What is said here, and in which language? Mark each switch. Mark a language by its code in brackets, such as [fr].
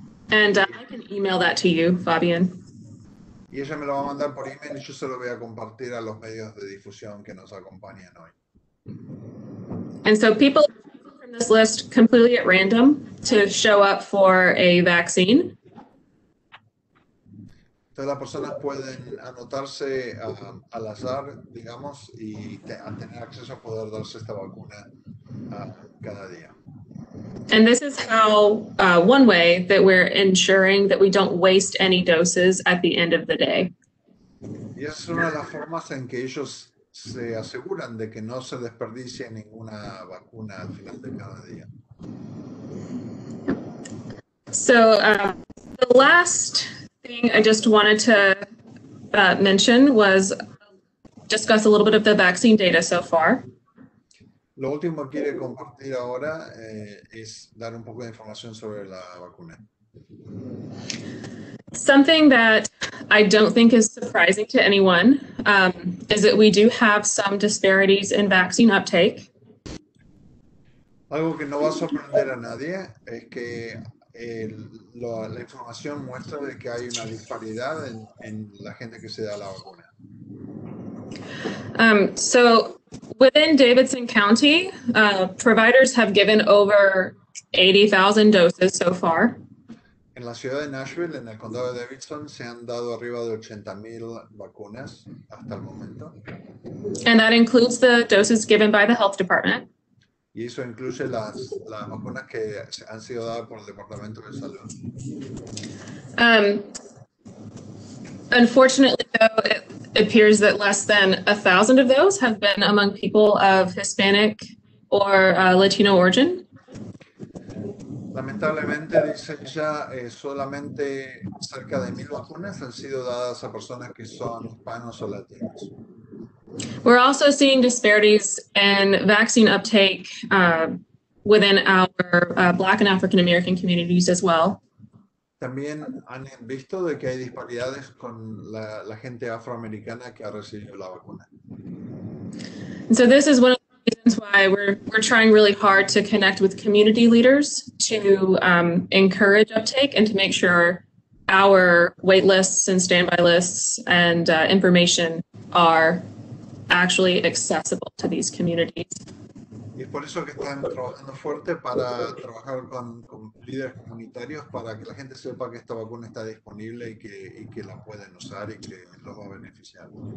[en] And I can email that to you, Fabian. [es] Y ella me lo va a mandar por email y yo se lo voy a compartir a los medios de difusión que nos acompañan hoy. [en] And so people from this list completely at random to show up for a vaccine. [es] Las personas pueden anotarse al azar, digamos, y a tener acceso a poder darse esta vacuna cada día. [en] And this is how one way that we're ensuring that we don't waste any doses at the end of the day. [es] Y es una de las formas en que ellos se aseguran de que no se desperdicie ninguna vacuna al final de cada día. [en] So the last thing I just wanted to mention was discuss a little bit of the vaccine data so far. [es] Lo último que quiero compartir ahora es dar un poco de información sobre la vacuna. [en] Something that I don't think is surprising to anyone is that we do have some disparities in vaccine uptake. [es] Algo que no va a sorprender a nadie es que la información muestra de que hay una disparidad en la gente que se da la vacuna. [en] So within Davidson County, providers have given over 80,000 doses so far. [es] En la ciudad de Nashville, en el condado de Davidson, se han dado arriba de 80,000 vacunas hasta el momento. [en] And that includes the doses given by the health department. [es] Y eso incluye las vacunas que han sido dadas por el Departamento de Salud. [en] Unfortunately, though, it appears that less than 1,000 of those have been among people of Hispanic or Latino origin. [es] Lamentablemente, dice ella, solamente cerca de 1,000 vacunas han sido dadas a personas que son hispanos o latinos. [en] We're also seeing disparities in vaccine uptake within our Black and African American communities as well. [es] También han visto de que hay disparidades con la gente afroamericana que ha recibido la vacuna. [en] And so this is one of the reasons why we're trying really hard to connect with community leaders to encourage uptake and to make sure our wait lists and standby lists and information are actually accessible to these communities. [es] Y es por eso que están trabajando fuerte para trabajar con líderes comunitarios para que la gente sepa que esta vacuna está disponible y que la pueden usar y que los va a beneficiar.